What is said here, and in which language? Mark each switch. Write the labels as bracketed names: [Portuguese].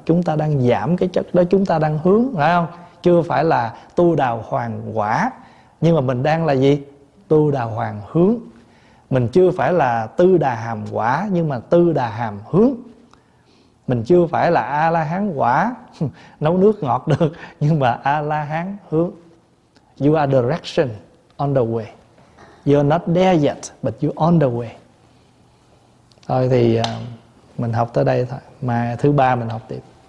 [Vietnamese] Chúng ta đang giảm cái chất đó, chúng ta đang hướng, phải không? Chưa phải là tu đào hoàng quả, nhưng mà mình đang là gì? Tu đào hoàng hướng. Mình chưa phải là tư đà hàm quả, nhưng mà tư đà hàm hướng. Mình chưa phải là A-la-hán quả, nấu nước ngọt được, nhưng mà A-la-hán hướng. [English] You are direction on the way. You're not there yet, but you're on the way. [Vietnamese] Thôi thì mình học tới đây thôi. Mai thứ ba mình học tiếp.